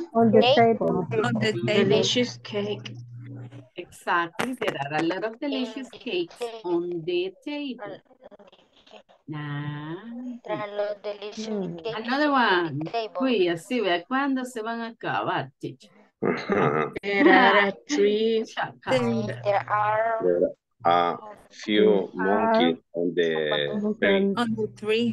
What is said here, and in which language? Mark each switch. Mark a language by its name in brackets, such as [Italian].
[English] There are a lot of delicious cake on the table. Exactly, there are a lot of delicious cakes on the table. Nice. There are a lot of delicious cakes. Another one. [Spanish] Uy, así vea cuando se van a acabar, chicho. [English] There are a few monkeys on the tree.